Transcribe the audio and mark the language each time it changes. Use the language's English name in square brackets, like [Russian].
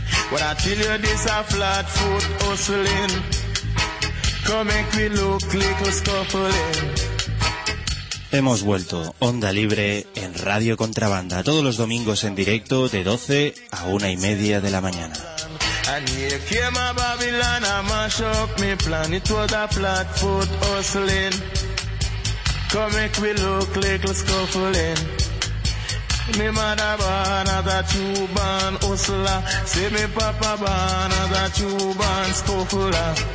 [English] What I tell you, this a flat foot hustling. Come make me look little scuffling. [Spanish] Hemos vuelto, Onda Libre en Radio Contrabanda, todos los domingos en directo de 12 a 1 y media de la mañana. [English] And here came a Babylon, a mash up me plan. It was a flat foot hustling. Come make me look little scuffling. Me mother born as a Cuban hustler. Say me papa born as a Cuban scuffler.